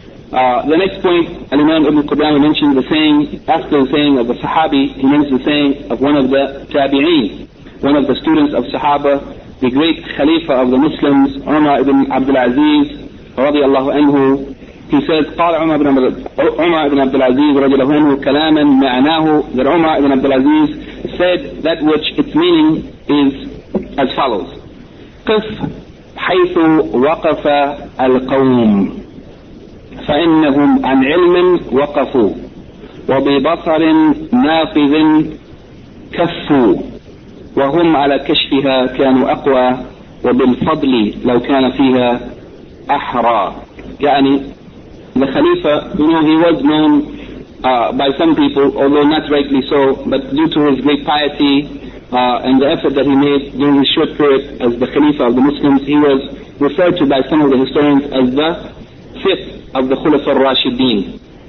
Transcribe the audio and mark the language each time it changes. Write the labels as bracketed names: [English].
[English] The next point, Al-Imam Ibn Qudamah mentioned the saying, after the saying of the Sahabi, he mentions the saying of one of the Tabi'een, one of the students of Sahaba, the great Khalifa of the Muslims, Umar ibn Abdul Aziz, radiallahu anhu. He says, قال Umar ibn Abdul Aziz, radiallahu anhu, [Arabic] كلاما معناه, [English] that Umar ibn Abdul Aziz said that which its meaning is as follows. [Arabic] قف حيث وقف القوم فإنهم عن علم وقفوا وببصر ناقذ كفوا وهم على كشفها كانوا أقوى وبالفضل لو كان فيها أحرى، يعني الخليفة [English] you know he was known by some people although not rightly so but due to his great piety and the effort that he made during his short period as the Khalifa of the Muslims, he was referred to by some of the historians as the fifth of the Khulafa al-Rashidin.